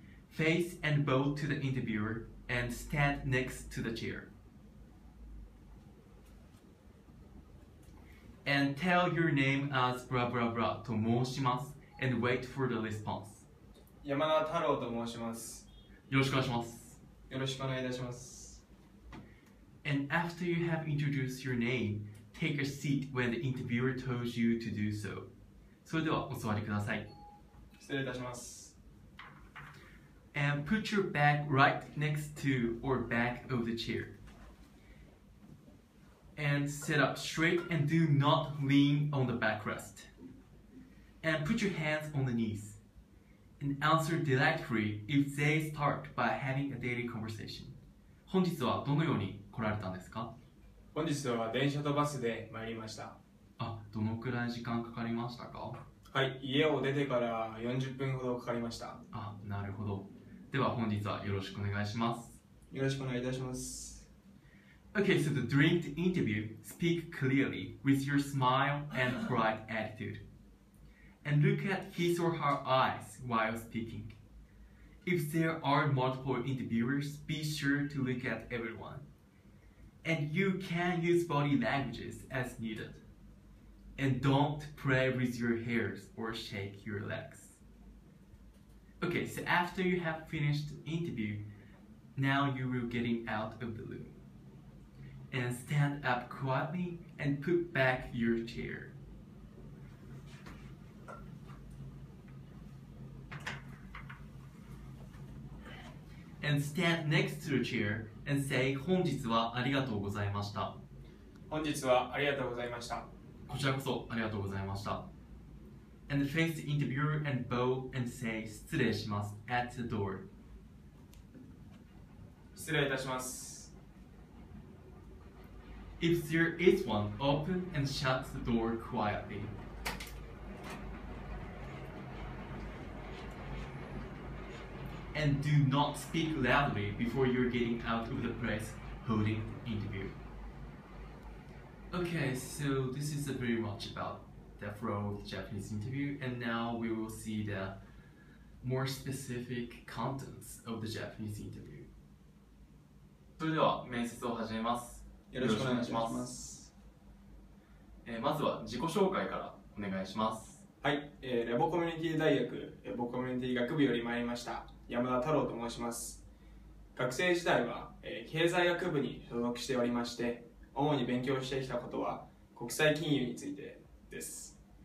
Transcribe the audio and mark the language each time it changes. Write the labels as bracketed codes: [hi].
[en] Face and bow to the interviewer and stand next to the chair. And tell your name as blah blah blah [ja] と申します [en] and wait for the response. [ja] 山田太郎と申します。よろしくお願いします。よろしくお願いいたします。 [en] And after you have introduced your name, take a seat when the interviewer told you to do so. [ja] それではお座りください。失礼いたします。 [en] And put your bag right next to or back of the chair. And sit up straight and do not lean on the backrest. And put your hands on the knees. And answer directly if they start by having a daily conversation. [ja] 本日はどのように来られたんですか? 本日は電車とバスで参りました。あ、どのくらい時間かかりましたか? はい、家を出てから40分ほどかかりました。あ、なるほど。では本日はよろしくお願いします。よろしくお願いいたします。 [en] Okay, so during the interview, speak clearly with your smile and bright attitude. And look at his or her eyes while speaking. If there are multiple interviewers, be sure to look at everyone. And you can use body languages as needed. And don't play with your hairs or shake your legs. Okay, so after you have finished the interview, now you will getting out of the room. And stand up quietly and put back your chair. And stand next to the chair and say, [ja] 本日はありがとうございました。本日はありがとうございました。こちらこそありがとうございました。 [en] And face the interviewer and bow and say, [ja] 失礼します [en] at the door. [ja] 失礼いたします。 [en] If there is one, open and shut the door quietly. And do not speak loudly before you're getting out of the place holding the interview. Okay, so this is pretty much about the flow of the Japanese interview, and now we will see the more specific contents of the Japanese interview. [ja] それでは面接を始めます。よろしくお願いします。まずは自己紹介からお願いします。はい、レボコミュニティ大学、レボコミュニティ学部より参りました、山田太郎と申します。学生時代は、経済学部に所属しておりまして、主に勉強してきたことは国際金融についてです。